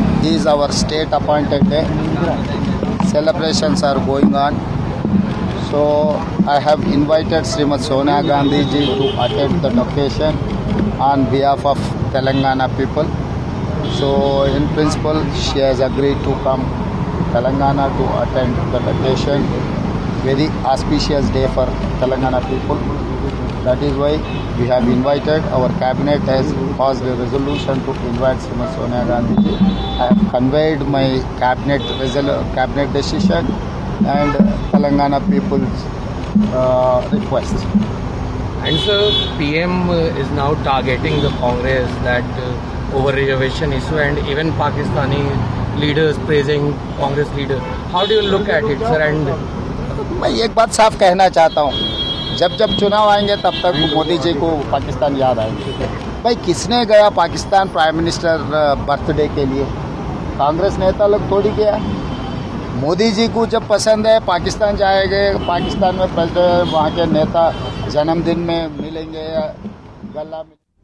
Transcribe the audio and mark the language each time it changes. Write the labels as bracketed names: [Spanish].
[English] Is our state appointed day, celebrations are going on, so I have invited Shrimati Sonia Gandhi ji to attend the occasion on behalf of Telangana people. So in principle she has agreed to come Telangana to attend the occasion. Very auspicious day for Telangana people. That is why we have invited, our cabinet has passed a resolution to invite Srimati Sonia Gandhi. I have conveyed my cabinet decision and Telangana people's request. And sir, PM is now targeting the Congress that over reservation issue, and even Pakistani leaders praising Congress leader. How do you look at it, sir? And [Hindi] मैं एक बात साफ कहना चाहता हूँ, जब जब चुनाव आएंगे तब तक मोदी जी को पाकिस्तान याद आएंगे। भाई किसने गया पाकिस्तान प्राइम मिनिस्टर बर्थडे के लिए? कांग्रेस नेता लोग थोड़ी गया। मोदी जी को जब पसंद है पाकिस्तान जाएंगे, पाकिस्तान में वहाँ के नेता जन्मदिन में मिलेंगे या गला में।